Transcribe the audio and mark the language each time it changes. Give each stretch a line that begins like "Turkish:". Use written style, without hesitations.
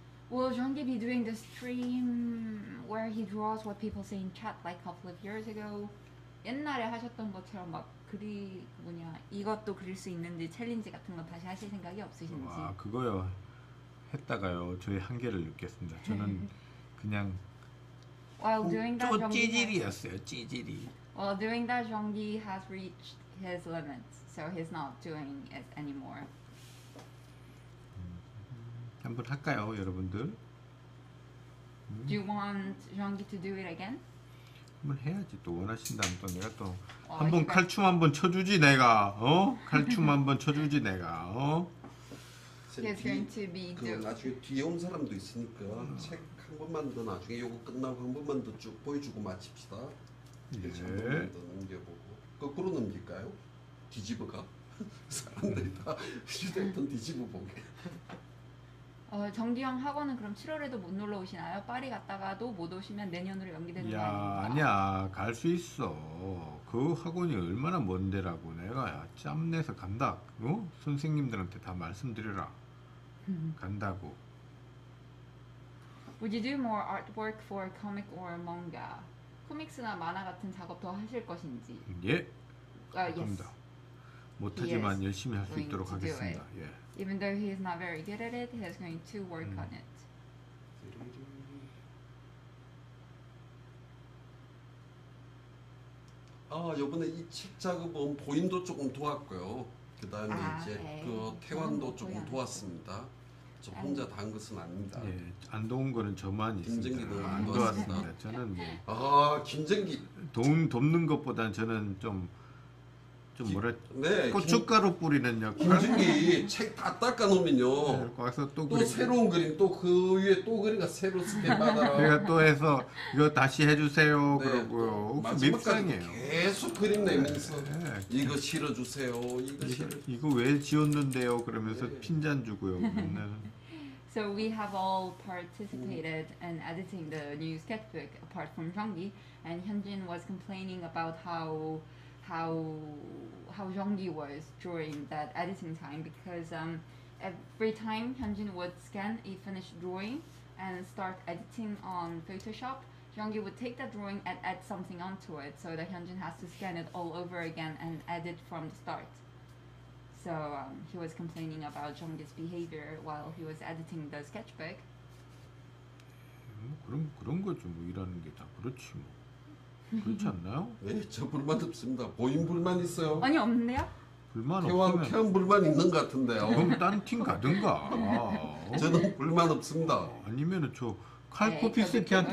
English: Will Zhang be doing the stream where he draws what people say in chat like a couple of years ago?
Korean: 옛날에 하셨던 것처럼 막 그리 뭐냐 이것도 그릴 수 있는지 챌린지 같은 거 다시 하실 생각이 없으신지? 아 그거요. 했다가요. 저의 한계를 느꼈습니다. 저는 그냥
English: While doing that,
Korean: 좀 찌질이었어요. 찌질이.
English: While doing that, Zhang Yi has reached his limits, so he's not doing it anymore.
Korean: 한번 할까요, 여러분들?
English: Do you want Zhang Yi to do it again?
Korean: 한번 해야지. 또 원하신다면 또 내가 또 한번 칼춤 한번 쳐주지 내가. 어? 칼춤 한번 쳐주지 내가. 어?
English: He's going to be.
Korean: 그 나중에 뒤에 온 사람도 있으니까 책 한 번만 더 나중에 요거 끝나고 한 번만 더 쭉 보여주고 마칩시다. 예. 한 번만 더 넘겨보고 거꾸로 넘길까요? 뒤집어가 사람들이 다 휴대폰 뒤집어 보게. 어, 정기영 학원은 그럼 7월에도 못 놀러 오시나요? 파리 갔다가도 못 오시면 내년으로 연기되는 거 아닙니까? 아니야, 갈 수 있어. 그 학원이 얼마나 먼 데라고 내가 짬내서 간다. 어? 선생님들한테 다 말씀드려라. 간다고.
English: Would you do more artwork for comic or manga?
Korean: 코믹스나 만화 같은 작업 더 하실 것인지? 예.
English: 아, yes.
Korean: 못하지만 열심히 할 수 있도록 하겠습니다. 예.
English: Even though he is not very good at it, he is going to work on it.
Korean: 아, 이번에 이 책 작업은 보인도 조금 도왔고요. 그다음에 아, 이제 에이. 그 태완도 조금 도왔습니다. 저 혼자 다 한 것은 아닙니다. 예, 안 도운 거는 저만 있습니다. 안 도왔습니다. 저는 뭐 아, 김정기 돕는 것보다는 저는 좀 좀 뭐래 네, 고춧가루 뿌리는 역. 김준기 책 다 닦아 놓으면요. 거기서 또 새로운 그림 또 그 위에 또 그림이 새로 스탠바다. 제가 또 해서 이거 다시 해주세요. 네, 그러고요. 혹시 밉상이에요. 계속 그림 내면서 네, 이거 실어 주세요. 이거 왜 지웠는데요? 그러면서 네. 핀잔 주고요.
English: So we have all participated in editing the new sketchbook apart from Jeongi, and Hyunjin was complaining about how Zhang Yi was during that editing time because every time Hyunjin would scan a finished drawing and start editing on Photoshop, Zhang Yi would take that drawing and add something onto it so that Hyunjin has to scan it all over again and edit from the start. So he was complaining about Zhang Yi's behavior while he was editing the sketchbook.
Korean: 그런 거죠. 뭐 일하는 게 다 그렇지 뭐. 그렇지 않나요? 네, 저 불만 없습니다. 보인 불만 있어요? 아니, 없네요? 불만 없으면 태완 불만 있는 것 같은데요. 그럼 딴 팀 가든가. 아, 저는 불만 없습니다. 아니면 저 칼코피 스키한테